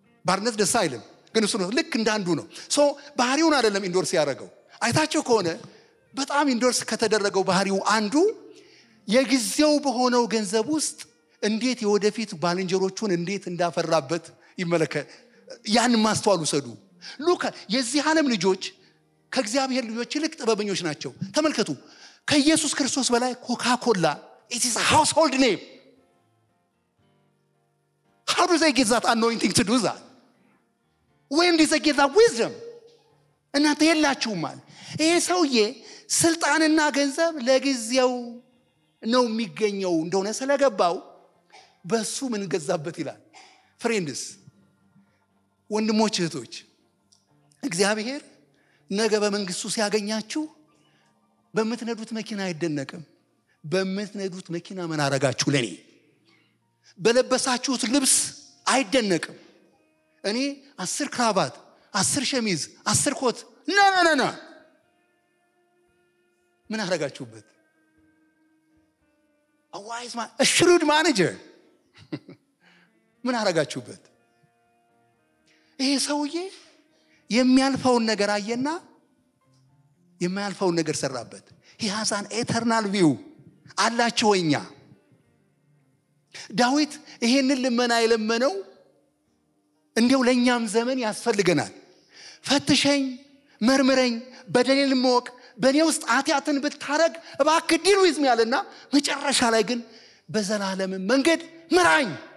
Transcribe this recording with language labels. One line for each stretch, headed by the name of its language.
Amharic: ባርነት ደስ አይልም ግን እሱ ነው ልክ እንዳንዱ ነው። ሶ ባህሪውን አይደለም ኢንዶርስ ያደረገው። አይታቸው ከሆነ በጣም ኢንዶርስ ከተደረገው ባህሪው አንዱ የጊዜው በሆነው ገንዘብ ውስጥ እንዴት የወደፊት ባልንጀሮቹን እንዴት እንዳፈራበት ይመለከታል። ያን ማስተዋል ውሰዱ። ሉካ የዚህ ዓለም ልጆች ከእግዚአብሔር ልጆች ይልቅ ጥበበኞች ናቸው። ተመልከቱ ከኢየሱስ ክርስቶስ በላይ ኮካኮላ
English: it is a household name. How do they get that anointing to do that? When did they get that wisdom?
Amharic: እናንተ የላችሁማል ይሄ ሰውዬ ስልጣንና ገንዘብ ለጊዜው ነው የሚገኘው እንደሆነ ስለገባው በሱ ምን ገዛበት ይላል። ፍሬንድስ ወንድሞች እህቶች እግዚአብሔር ነገ በመንግስቱ ሲያገኛችሁ በመትነዱት መኪና አይደነቅም። በመትነዱት መኪና ምን አረጋችሁ ለኔ? በለበሳችሁት ልብስ አይደነቅም። እኔ 10 ክራባት 10 ሸሚዝ 10 ኮት ነነነነ ምን አረጋችሁበት?
English: A wise man, a shrewd manager.
Amharic: ምን አረጋችሁበት? ይሄ ሰውዬ የሚያልፈውን ነገር አየና የማያልፈውን ነገር ሰራበት።
English: He has an eternal view.
Amharic: አላችሁኛ ዳዊት ይሄን ልመና የለመነው እንዴው ለኛም ዘመን ያስፈልገናል። ፈትሸኝ መርመረኝ በደሌን ሞቅ በኔ ውስጥ አጥያትን በታረግ እባክህ
English: ዲል ዊዝ ሚ
Amharic: አለና መጨረሻ ላይ ግን በዘላለም መንገድ ምራኝ